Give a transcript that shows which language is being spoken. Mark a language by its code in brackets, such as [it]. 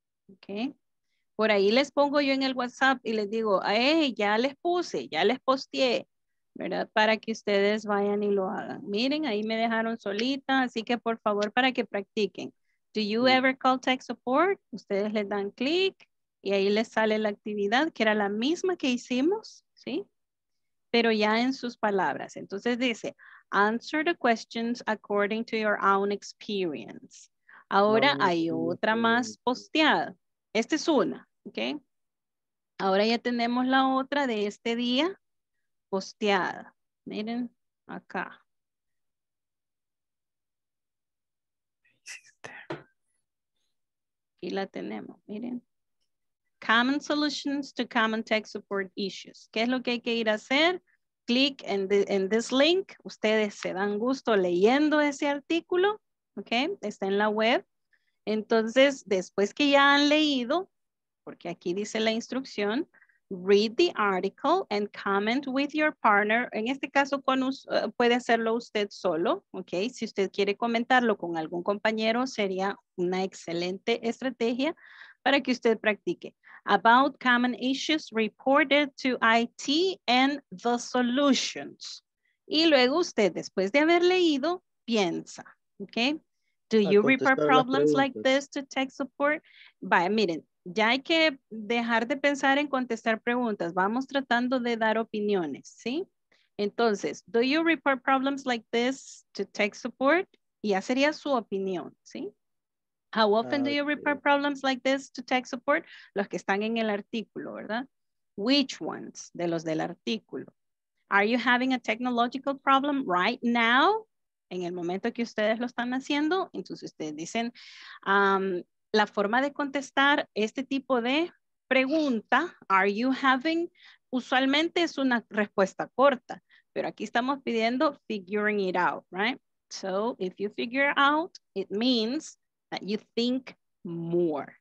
[es] Ok. Por ahí les pongo yo en el WhatsApp y les digo, hey, ya les puse, ya les posteé, ¿verdad? Para que ustedes vayan y lo hagan. Miren, ahí me dejaron solita, así que por favor, para que practiquen. [en] Do you ever call tech support? [es] Ustedes les dan clic y ahí les sale la actividad, que era la misma que hicimos, ¿sí? Pero ya en sus palabras. Entonces dice, [en] answer the questions according to your own experience. [es] Ahora hay otra más posteada. Esta es una, ¿ok? Ahora ya tenemos la otra de este día posteada. Miren, acá. [en] Y la tenemos, miren. Common solutions to common tech support issues. [es] ¿Qué es lo que hay que ir a hacer? Click en [en] this link. [es] Ustedes se dan gusto leyendo ese artículo, ¿ok? Está en la web. Entonces, después que ya han leído, porque aquí dice la instrucción, [en] read the article and comment with your partner. [es] En este caso, puede hacerlo usted solo, ¿ok? Si usted quiere comentarlo con algún compañero, sería una excelente estrategia para que usted practique. [en] About common issues reported to IT and the solutions. [es] Y luego usted, después de haber leído, piensa, ¿ok? [en] Do you report problems like this to tech support? [es] Vaya, miren, ya hay que dejar de pensar en contestar preguntas. Vamos tratando de dar opiniones, ¿sí? Entonces, [en] do you report problems like this to tech support? [es] Ya sería su opinión, ¿sí? [en] How often do you report problems like this to tech support? [es] Los que están en el artículo, ¿verdad? [en] Which ones? [es] De los del artículo. [en] Are you having a technological problem right now? [es] En el momento que ustedes lo están haciendo, entonces ustedes dicen, la forma de contestar este tipo de pregunta, [en] are you having, [es] usualmente es una respuesta corta, pero aquí estamos pidiendo [en] figuring it out, right? So if you figure out, it means that you think more.